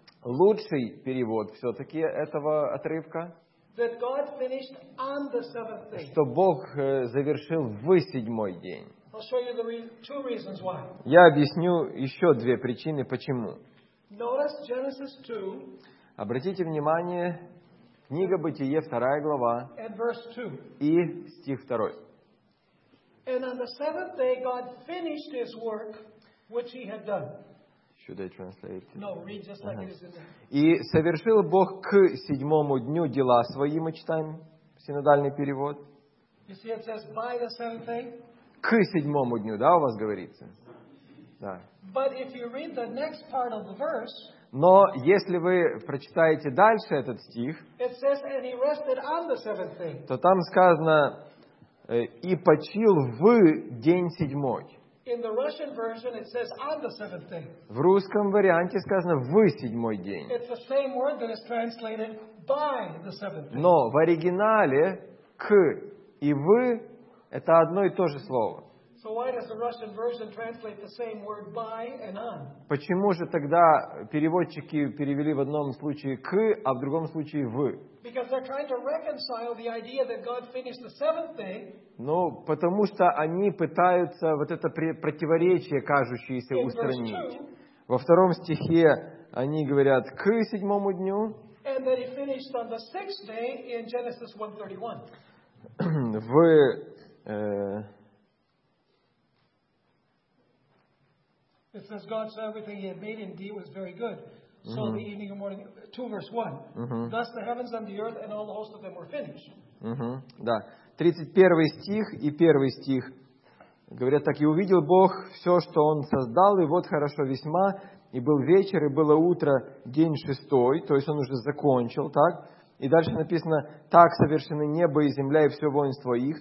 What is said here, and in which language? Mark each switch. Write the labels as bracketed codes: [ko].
[ru] лучший перевод все-таки этого отрывка, [en] that God finished on the seventh day. [ru] Что Бог завершил в седьмой день. [en] I'll show you the two reasons why. [ru] Я объясню еще две причины, почему. [en] Notice Genesis 2. [ru] Обратите внимание, книга Бытие, вторая глава, [en] and verse 2. [ru] И стих второй. [en] And on the seventh day, God finished His work, which He had done. Should I translate? No, read just like it is in there. [ru] И совершил Бог к седьмому дню дела свои, мы читаем, синодальный перевод. [en] You see, it says by the seventh day. [ru] К седьмому дню, да, у вас говорится? Да. [en] But if you read the next part of the verse. [ru] Но если вы прочитаете дальше этот стих, [en] it says, and He rested on the seventh day. [ru] То там сказано. И почил в день седьмой. [en] In the Russian version it says on the seventh day. [ru] В русском варианте сказано в седьмой день. [en] It's the same word that is translated by the seventh day. [ru] Но в оригинале к и в это одно и то же слово. [en] So why does the Russian version translate the same word by and on? [ru] Почему же тогда переводчики перевели в одном случае к, а в другом случае в? [en] Because they're trying to reconcile the idea that God finished the seventh day. [ru] Ну, потому что они пытаются вот это противоречие кажущееся устранить. Во втором стихе они говорят к седьмому дню. [en] And that He finished on the sixth day in Genesis 1:31. [ru] В [en] It says God saw everything He had made indeed was very good. So mm-hmm. the evening and morning, 2:1. Mm-hmm. Thus the heavens and the earth and all the host of them were finished. [ru] Mm-hmm. Да. 31 стих и 1 стих говорят так. «И увидел Бог все, что Он создал, и вот хорошо весьма, и был вечер, и было утро, день шестой». То есть Он уже закончил, так? И дальше написано «Так совершены небо и земля, и все воинство их».